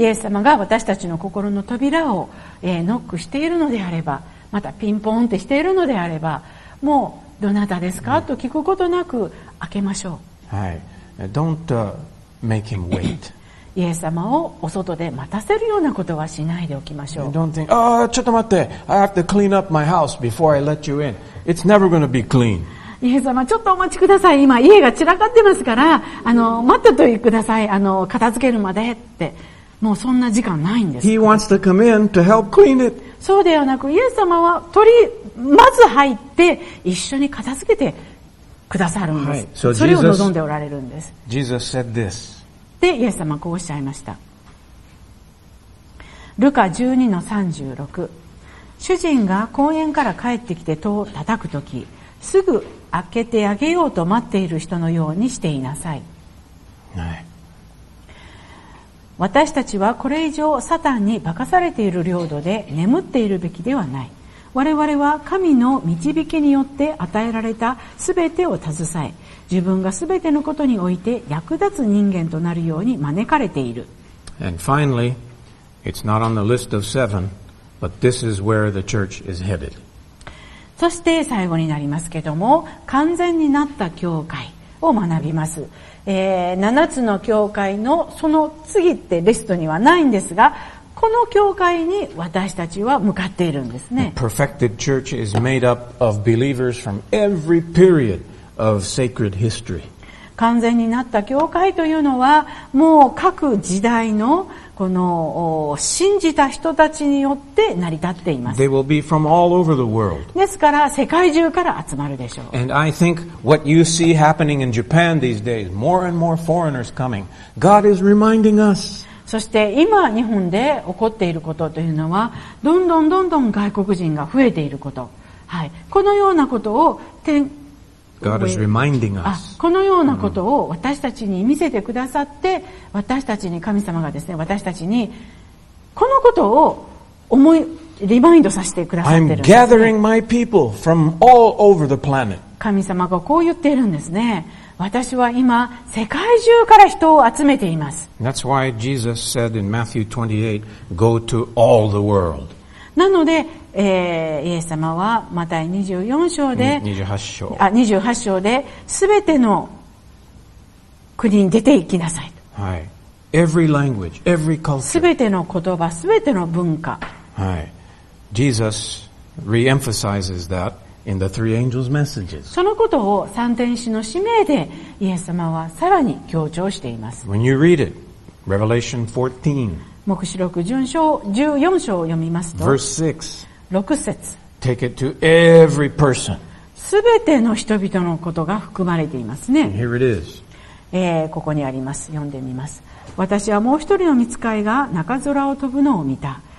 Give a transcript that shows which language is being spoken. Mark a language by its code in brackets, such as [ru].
[ja] イエス様が私たちの心の扉を、ノックしているのであれば、またピンポンってしているのであれば、もうどなたですか、うん、と聞くことなく開けましょう。 [en] はい。Don't make him wait. [ja] イエス様をお外で待たせるようなことはしないでおきましょう。 [en] Don't think, ah,、oh, [ja] ちょっと待って。 [en] I have to clean up my house before I let you in. It's never going to be clean. [ja] イエス様、ちょっとお待ちください。今、家が散らかってますから、待っててください。片付けるまでって。もうそんな時間ないんです。 [en] He wants to come in to help clean it. [ja] そうではなく、イエス様は、まず入って、一緒に片付けてくださるんです。はい、それを望んでおられるんです。 [en] Jesus said this. [ja] して、イエス様はこうおっしゃいました。ルカ 12-36。主人が公園から帰ってきて戸を叩くとき、すぐ開けてあげようと待っている人のようにしていなさい。はい。私たちはこれ以上サタンに化かされている領土で眠っているべきではない。我々は神の導きによって与えられたすべてを携え、自分がすべてのことにおいて役立つ人間となるように招かれている。 [en] And finally, it's not on the list of seven, but this is where the church is headed. [ja] そして最後になりますけども、完全になった教会を学びます。 7つの教会のその次ってリストにはないんですが、この教会に私たちは向かっているんですね。 [en] Perfected church is made up of believers from every period of sacred history. [ja] 完全になった教会というのは、もう各時代のこの信じた人たちによって成り立っています。 [en] They will be from all over the world. [ja] ですから世界中から集まるでしょう。 [en] And I think what you see happening in Japan these days, more and more foreigners coming, God is reminding us. [ja] そして今日本で起こっていることというのは、どんどんどんどん外国人が増えていること、はい、このようなことを天、 [en] God is reminding us. [ja] このようなことを私たちに見せてくださって、私たちに神様がですね、私たちにこのことを思いリマインドさせてくださっているんです、ね。 [en] I'm gathering my people from all over the planet. [ja] 神様がこう言っているんですね。私は今世界中から人を集めています。 [en] That's why Jesus said in Matthew 28, "Go to all the world." [ja] なので、イエス様はマタイ24章で、28章で、すべての国に出て行きなさいと。はい。 [en] Every language, every culture. [ja] すべての言葉、すべての文化。はい。 [en] Jesus re-emphasizes that. In the three angels' messages. [ja] そのことを三天使の使命でイエス様はさらに強調しています。 [en] When you read it, Revelation 14, [ja] 黙示録14章を読みますと、 [en] verse 6, [ja] 6節、 [en] take it to every person. [ja] すべての人々のことが含まれていますね。 [en] And here it is. [ja] ここにあります。読んでみます。私はもう一人の御使いが中空を飛ぶのを見た。